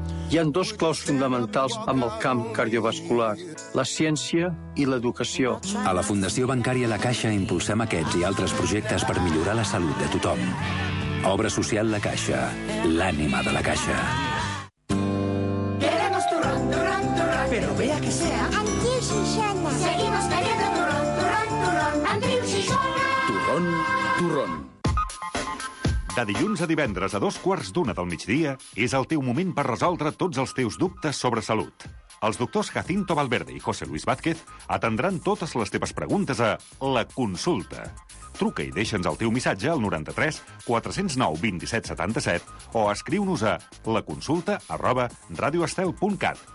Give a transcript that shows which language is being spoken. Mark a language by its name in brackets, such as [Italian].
[Catalan] Hi ha dos claus fonamentals amb el camp cardiovascular, la ciència i l'educació. A la Fundació Bancària La Caixa impulsem aquests i altres projectes per millorar la salut de tothom. Obra social La Caixa, l'ànima de La Caixa. [Spanish] Queremos turrón, turrón, turrón. Pero vea que sea. [Catalan] Amb qui és Xixona? [Spanish] Seguimos queriendo turrón, turrón, turrón. [Catalan] Amb qui és Xixona? [Spanish] Turrón, turrón. [Catalan] De dilluns a divendres a 2:15 del migdia és el teu moment per resoldre tots els teus dubtes sobre salut. Els doctors Jacinto Valverde i José Luis Vázquez atendran totes les teves preguntes a La Consulta. Truca i deixa'ns el teu missatge al 93 409 27 77 o escriu-nos a laconsulta@radioestel.cat.